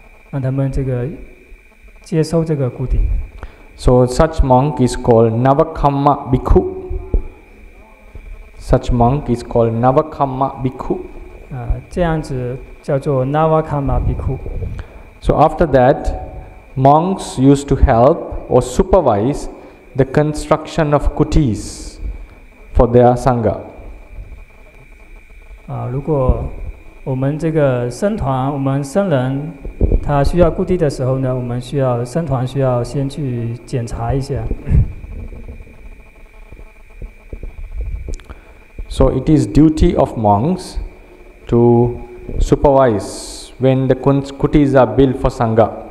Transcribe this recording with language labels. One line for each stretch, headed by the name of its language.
Chinese: 然后他这个佛陀呢就邀请这个就让这个僧团让他们这个接收这个孤邸。
English: So such monk is called Navakamma Bhikkhu. Such monk is called Navakamma Bhikkhu.
Chinese: 这样子叫做 Navakamma Bhikkhu.
English: So after that, monks used to help or supervise the construction of kutis for their sangha.
Chinese: 如果我们这个僧团，我们僧人他需要故地的时候呢，我们需要僧团需要先去检查一下。
English: So it is duty of monks to supervise when the kutis are built for sangha.